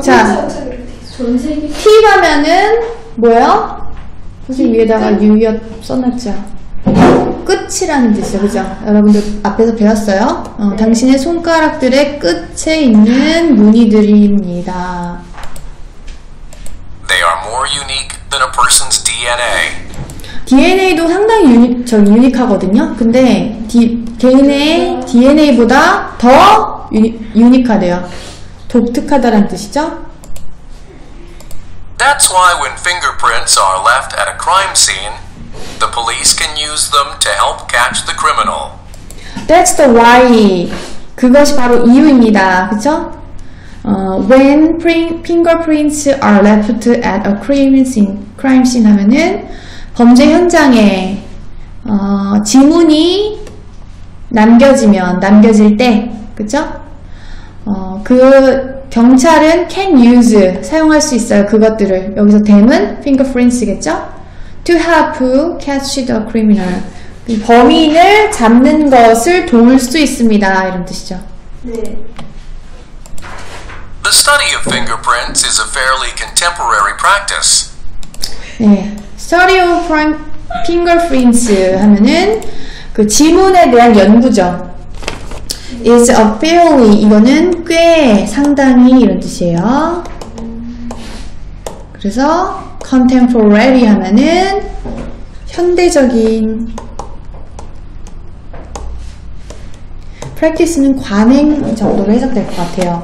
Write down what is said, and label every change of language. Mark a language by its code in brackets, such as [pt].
[ko] 자, 전 세계 팁 하면은 뭐예요? 선생님 위에다가 유여 써놨죠. 끝이라는 뜻이에요. 그죠? 여러분들 앞에서 배웠어요? 네. 당신의 손가락들의 끝에 있는 무늬들입니다. [en] They are more unique than a person's DNA. [ko] DNA도 상당히 유니크하거든요. 근데 개인의 DNA보다 더 유니크하대요. 독특하다는 뜻이죠? [en] That's why when fingerprints are left at a crime scene, the police can use them to help catch the criminal. That's the why. [ko] 그것이 바로 이유입니다. 그렇죠? [en] When fingerprints are left at a crime scene [ko] 하면은 범죄 현장에 지문이 남겨질 때, 그렇죠? 그 경찰은 [en] can use [ko] 사용할 수 있어요. 그것들을 여기서 them은 fingerprints겠죠? [en] To help catch the criminal. [ko] 범인을 잡는 것을 도울 수 있습니다. 이런 뜻이죠. 네. [en] The study of fingerprints is a fairly contemporary practice. [ko] 네. [en] Study of fingerprints [ko] 하면은 그 지문에 대한 연구죠. [en] Is a fairly. [ko] 이거는 꽤 상당히 이런 뜻이에요. 그래서 contemporary 하면은 현대적인 practice는 관행 정도로 해석될 것 같아요.